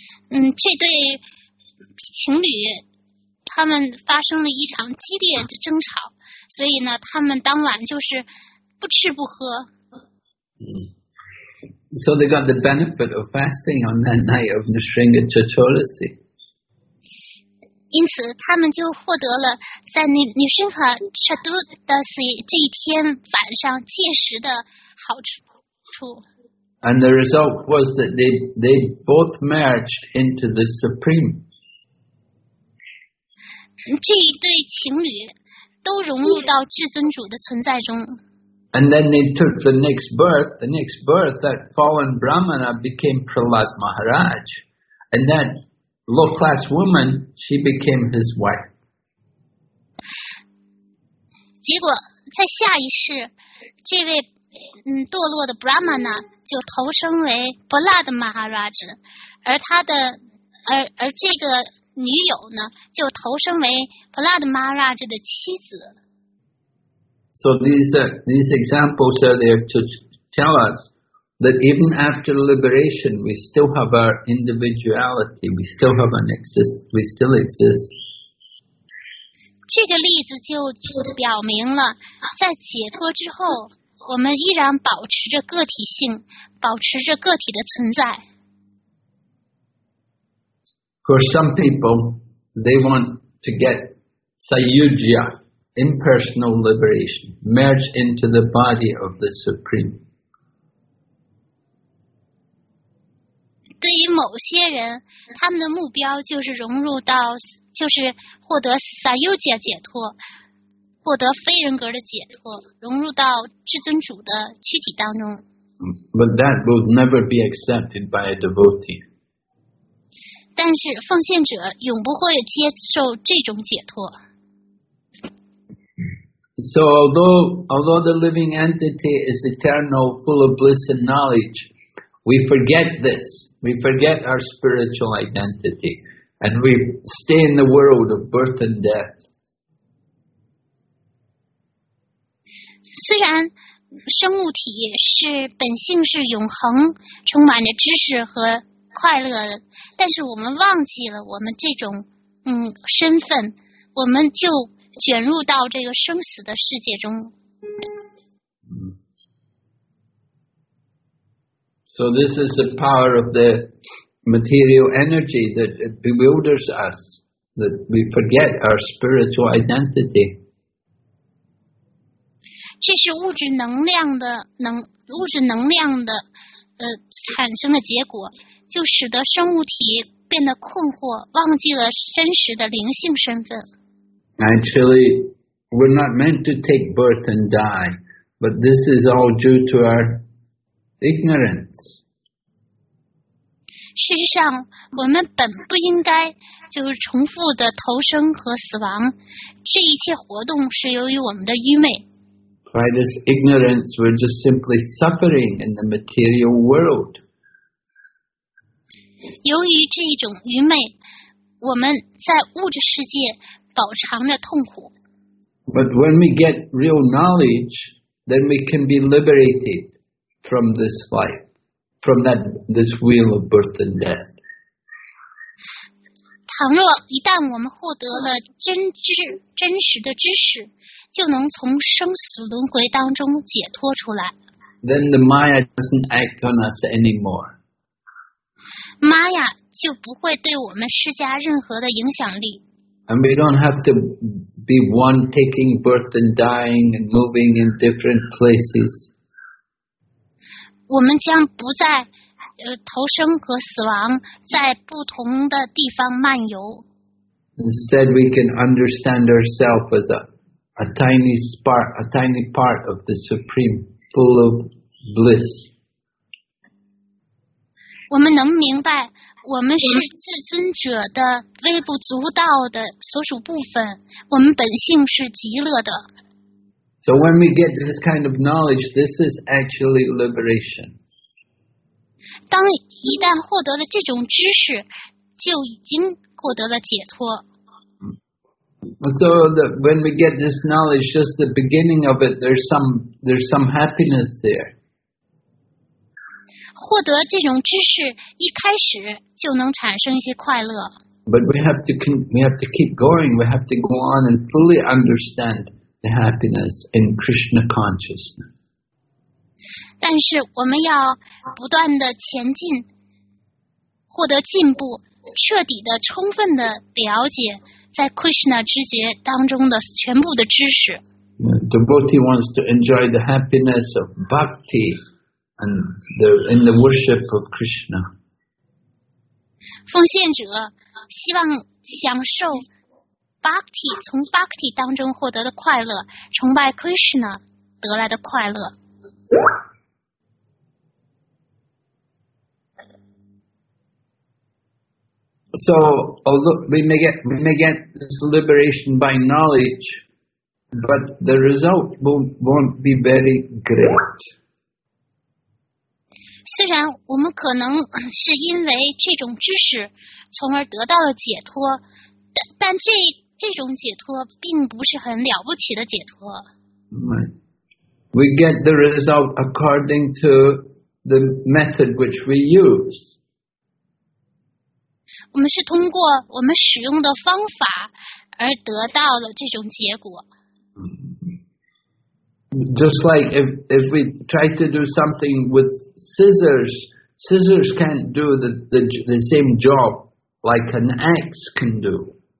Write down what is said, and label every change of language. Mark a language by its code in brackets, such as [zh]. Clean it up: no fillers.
[zh] 这对情侣他们发生了一场激烈的争吵，所以呢他们当晚就是不吃不喝。 [en] So they got the benefit of fasting on that night of Nrisimha Chaturdasi. [zh] 因此他们就获得了在Nrisimha Chaturdasi 这一天晚上戒食的好处。 [en] And the result was that they both merged into the Supreme. [zh] 这一对情侣都融入到至尊主的存在中。 [en] And then they took the next birth, that fallen Brahmana became Prahlad Maharaj. And that low-class woman, she became his wife. [zh] 结果在下一世，这位堕落的 Brahmana 就投生为 Prahlad Maharaj， 而这个女友呢就投生为 Prahlad Maharaj 的妻子。 [en] So these examples are there to tell us that even after liberation we still have our individuality, we still have an exist, we still exist. [zh] 这个例子就表明了在解脱之后我们依然保持着个体性，保持着个体的存在。 [en] For some people, they want to get sayujya, impersonal liberation, merge into the body of the Supreme. [zh] 对于某些人，他们的目标就是融入到，就是获得 sayujya 解脱，获得非人格的解脱，融入到至尊主的躯体当中。 [en] But that will never be accepted by a devotee. [zh] 但是奉献者永不会接受这种解脱。 [en] So although the living entity is eternal, full of bliss and knowledge, we forget this. We forget our spiritual identity, and we stay in the world of birth and death. [zh] 虽然生物体是本性是永恒，充满着知识和快乐，但是我们忘记了我们这种身份，我们就卷入到这个生死的世界中。 [en] So this is the power of the material energy that bewilders us. that we forget our spiritual identity. [zh] 这是物质能量的能物质能量的产生的结果，就使得生物体变得困惑，忘记了真实的灵性身份。 [en] Actually, we're not meant to take birth and die, but this is all due to our ignorance. [zh] 事实上，我们本不应该就是重复的投生和死亡，这一切活动是由于我们的愚昧。 [en] By this ignorance, we're just simply suffering in the material world. [zh] 由于这种愚昧，我们在物质世界饱尝着痛苦。 [en] But when we get real knowledge, then we can be liberated from this life, from that, this wheel of birth and death. [zh] 倘若一旦我们获得了真知、真实的知识，就能从生死轮回当中解脱出来。 [en] Then the Maya doesn't act on us anymore. [zh] Maya 就不会对我们施加任何的影响力。 [en] And we don't have to be one taking birth and dying and moving in different places. [zh] 我们将不再投生和死亡在不同的地方漫游。 [en] Instead, we can understand ourselves as a tiny spark, a tiny part of the supreme, full of bliss. [zh] 我们能明白，我们是至尊者的微不足道的所属部分，我们本性是极乐的。 [en] So when we get this kind of knowledge, this is actually liberation. [zh] 当一旦获得了这种知识，就已经获得了解脱。 [en] So that when we get this knowledge, just the beginning of it, there's some happiness there. [zh] 获得这种知识一开始就能产生一些快乐。 [en] But we have to keep going. We have to go on and fully understand the happiness in Krishna consciousness. [zh] 但是我们要不断的前进，获得进步，彻底的、充分的了解。在 Krishna 知觉当中的全部的知识。 [en] The devotee wants to enjoy the happiness of bhakti and in the worship of Krishna. [zh] 奉献者希望享受 bhakti， 从 bhakti 当中获得的快乐，崇拜 Krishna 得来的快乐。 [en] So, although we may get this liberation by knowledge, but the result won't be very great. [zh] 虽然我们可能是因为这种知识，从而得到了解脱，但这种解脱并不是很了不起的解脱。 [en] Right. We get the result according to the method which we use. [zh] 我们是通过我们使用的方法而得到了这种结果。 [en] Just like if we try to do something with scissors can't do the same job like an axe can do.